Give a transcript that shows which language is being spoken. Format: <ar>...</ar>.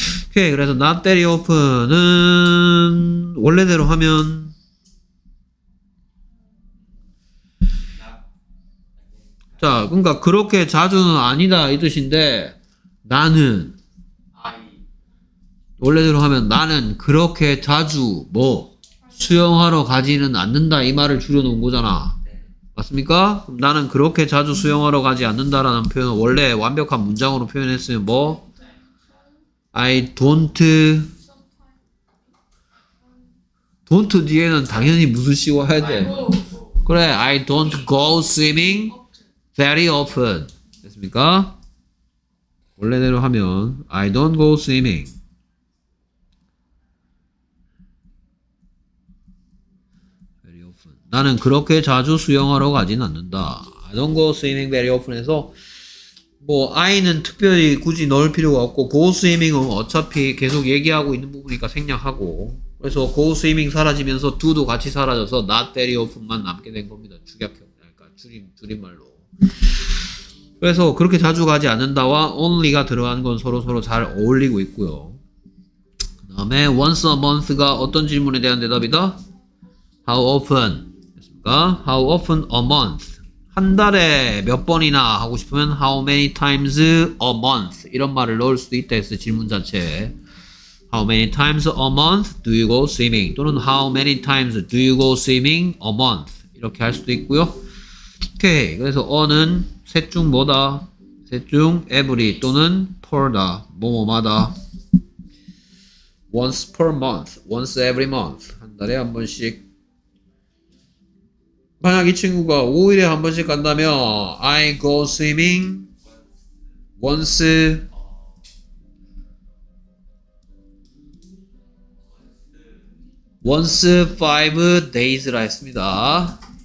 <ko>오케이, 그래서 not very often은 원래대로 하면 자, 그러니까 그렇게 자주는 아니다 이 뜻인데, 나는 원래대로 하면 나는 그렇게 자주 뭐 수영하러 가지는 않는다 이 말을 줄여놓은 거잖아, 맞습니까? 그럼 나는 그렇게 자주 수영하러 가지 않는다라는 표현을 원래 완벽한 문장으로 표현했으면 뭐 I don't 뒤에는 당연히 무슨 시와 해야 돼. 그래,</ko> <en>I don't go swimming very often,</en> <ko>됐습니까? 원래대로 하면</ko> <en>I don't go swimming.</en> <ko>나는 그렇게 자주 수영하러 가진 않는다.</ko> <en>I don't go swimming very often</en> <ko>해서 뭐 I는 특별히 굳이 넣을 필요가 없고, go swimming은 어차피 계속 얘기하고 있는 부분이니까 생략하고, 그래서 go swimming 사라지면서 do도 같이 사라져서 not very often만 남게 된 겁니다. 축약형, 그러니까 줄임말로. 그래서 그렇게 자주 가지 않는다와 only가 들어간 건 서로서로 잘 어울리고 있고요. 그 다음에 once a month가 어떤 질문에 대한 대답이다?</ko> <en>How often?</en> <ko>됐습니까?</ko> <en>How often a month?</en> <ko>한 달에 몇 번이나 하고 싶으면</ko> <en>How many times a month?</en> <ko>이런 말을 넣을 수도 있다 했어요, 질문 자체에.</ko> <en>How many times a month do you go swimming?</en> <ko>또는</ko> <en>How many times do you go swimming a month?</en> <ko>이렇게 할 수도 있고요. 오케이, 그래서 어는 셋 중 뭐다? 셋 중 every 또는 per다, 뭐뭐마다.</ko> <en>Once per month, once every month,</en> <ko>한 달에 한 번씩. 만약 이 친구가 5일에 한 번씩 간다면</ko> <en>I go swimming once once 5 days</en> <ko>라 했습니다.</ko>